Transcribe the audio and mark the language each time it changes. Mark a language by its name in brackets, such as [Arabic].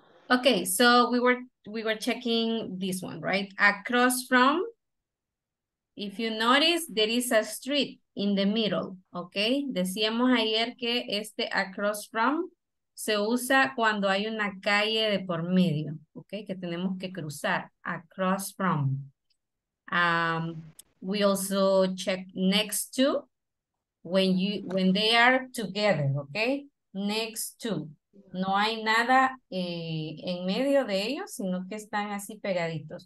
[English] Okay, so we were checking this one, right? Across from, if you notice, there is a street in the middle, okay? [Spanish] Decíamos ayer que este across from se usa cuando hay una calle de por medio, okay? Que tenemos que cruzar, across from. [English] We also check next to when they are together, okay? Next to. [Spanish] No hay nada en medio de ellos, sino que están así pegaditos.